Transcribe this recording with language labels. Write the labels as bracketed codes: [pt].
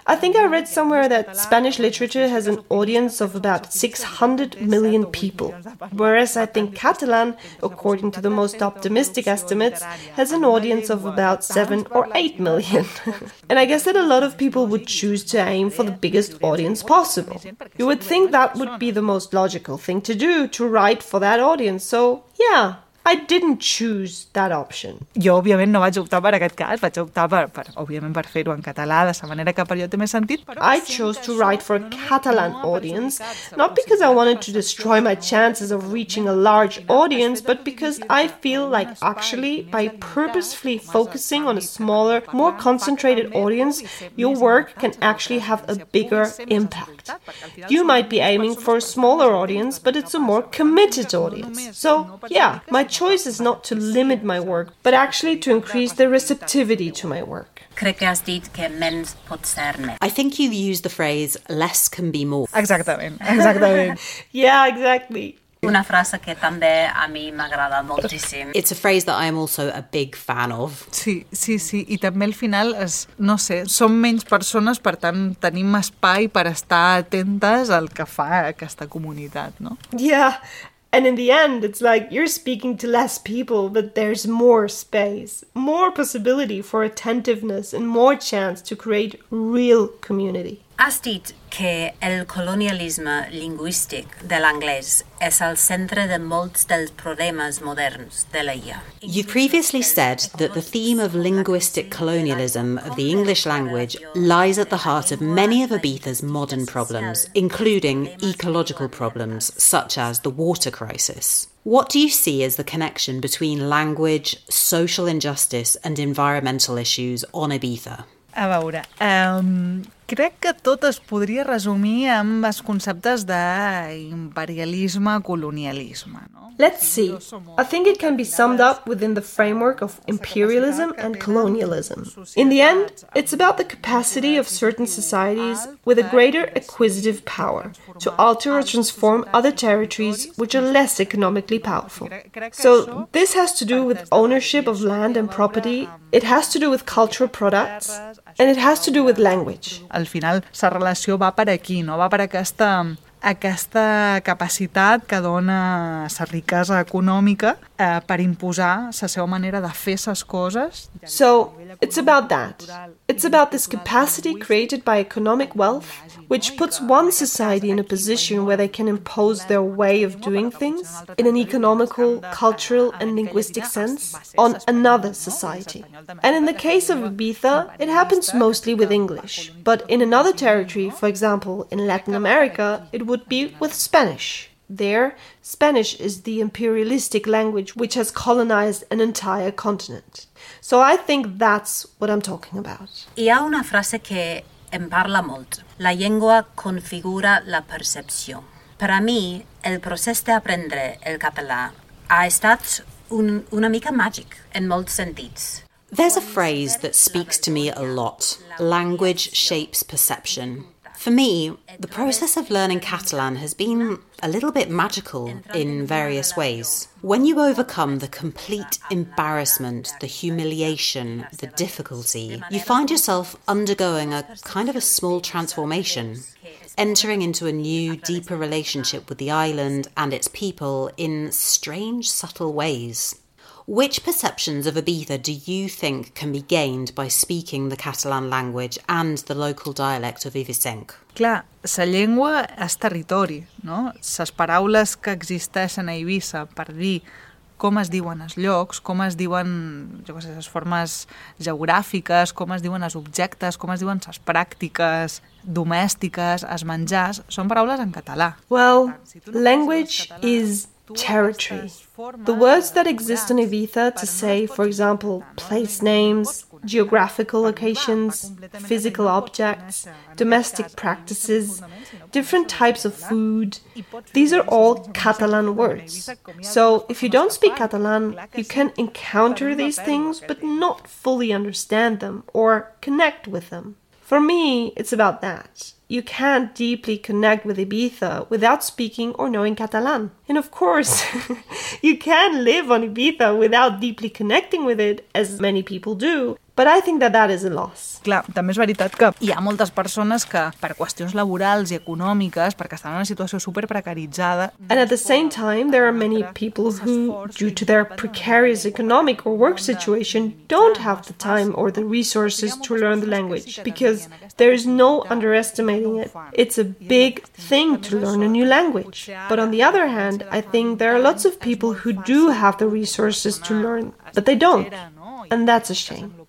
[en] I think I read somewhere that Spanish literature has an audience of about 600 million people, whereas I think Catalan, according to the most optimistic estimates, has an audience of about 7 or 8 million. And I guess that a lot of people would choose to aim for the biggest audience possible. You would think that would be the most logical thing to do, to write for that audience. So, yeah, I didn't choose that option. [ca] Jo, òbviament, no vaig optar per aquest cas. Vaig optar per òbviament, per fer-ho en català, de la manera que per jo té més sentit. [en] I chose to write for a Catalan audience, not because I wanted to destroy my chances of reaching a large audience, but because I feel like, actually, by purposefully focusing on a smaller, more concentrated audience, your work can actually have a bigger impact. You might be aiming for a smaller audience, but it's a more committed audience. So, yeah, my choice is not to limit my work, but actually to increase the receptivity to my work. [ca] Crec que has dit que menys pot ser més. [en] I think you use the phrase less can be more. [ca] Exactament, exactament. [en] Yeah, exactly. [ca] Una frase que també a mi m'agrada moltíssim. [en] It's a phrase that I am also a big fan of. [ca] Sí, sí, sí. I també al final, és, no sé, som menys persones, per tant, tenim espai per estar atentes al que fa aquesta comunitat, no? [en] Yeah. And in the end, it's like you're speaking to less people, but there's more space, more possibility for attentiveness and more chance to create real community. [ca] Has dit que el colonialisme lingüístic de l'anglès és el centre de molts dels problemes moderns de la IA. [en] You previously said that the theme of linguistic colonialism of the English language lies at the heart of many of Abitha's modern problems, including ecological problems such as the water crisis. What do you see as the connection between language, social injustice and environmental issues on Abitha? [ca] A veure, crec que tot es podria resumir amb els conceptes d'imperialisme, colonialisme. [en] Let's see. I think it can be summed up within the framework of imperialism and colonialism. In the end, it's about the capacity of certain societies with a greater acquisitive power to alter or transform other territories which are less economically powerful. So this has to do with ownership of land and property, it has to do with cultural products, and it has to do with language. [ca] Al final, la relació va per aquí, no? Va per aquesta... aquesta capacitat que dona la riquesa econòmica per imposar la seva manera de fer les coses. [en] So, it's about that. It's about this capacity created by economic wealth, which puts one society in a position where they can impose their way of doing things in an economical, cultural and linguistic sense on another society. And in the case of Ibiza, it happens mostly with English. But in another territory, for example, in Latin America, it would be with Spanish. There, Spanish is the imperialistic language which has colonized an entire continent. So I think that's what I'm talking about. [ca] Hi ha una frase que em parla molt. La llengua configura la percepció. Per a mi, el procés d'aprendre el català ha estat una mica màgic en molts sentits. [en] There's a phrase that speaks to me a lot. Language shapes perception. For me, the process of learning Catalan has been a little bit magical in various ways. When you overcome the complete embarrassment, the humiliation, the difficulty, you find yourself undergoing a kind of a small transformation, entering into a new, deeper relationship with the island and its people in strange, subtle ways. Which perceptions of Abitha do you think can be gained by speaking the Catalan language and the local dialect of Ibicenc? [ca] Clar, la llengua és territori, no? Les paraules que existeixen a Eivissa per dir com es diuen els llocs, com es diuen, jo no sé, les formes geogràfiques, com es diuen els objectes, com es diuen les pràctiques domèstiques, els menjars, són paraules en català. [en] Well, language is territory. The words that exist on Ibiza to say, for example, place names, geographical locations, physical objects, domestic practices, different types of food, these are all Catalan words. So if you don't speak Catalan, you can encounter these things but not fully understand them or connect with them. For me, it's about that. You can't deeply connect with Ibiza without speaking or knowing Catalan. And of course, you can live on Ibiza without deeply connecting with it, as many people do, but I think that that is a loss. [ca] Clar, també és veritat que hi ha moltes persones que, per qüestions laborals i econòmiques, perquè estan en una situació super precaritzada... [en] And at the same time, there are many people who, due to their precarious economic or work situation, don't have the time or the resources to learn the language, because there is no underestimating it. It's a big thing to learn a new language. But on the other hand, I think there are lots of people who do have the resources to learn, but they don't. And that's a shame.